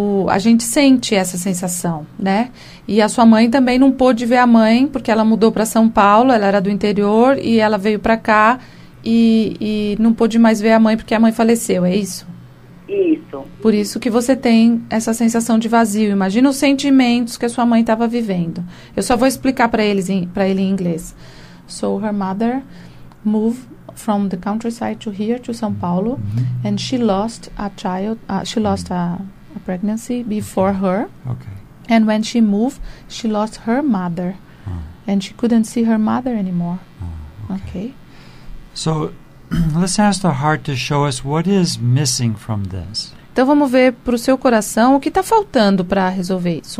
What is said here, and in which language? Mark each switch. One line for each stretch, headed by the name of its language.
Portuguese: a gente sente essa sensação, né? E a sua mãe também não pôde ver a mãe, porque ela mudou para São Paulo, ela era do interior, e ela veio para cá e não pôde mais ver a mãe, porque a mãe faleceu, é isso? Isso. Por isso que você tem essa sensação de vazio. Imagina os sentimentos que a sua mãe estava vivendo. Eu só vou explicar para ele em inglês.
English: So, her mother moved from the countryside to here, to São Paulo, and she lost a child, she lost a pregnancy before her. Okay. And when she moved, she lost her mother. And she couldn't see her mother anymore. Okay. So, let's ask the heart to show us what is missing from this.
Portuguese: Então vamos ver pro seu coração o que tá faltando para resolver isso.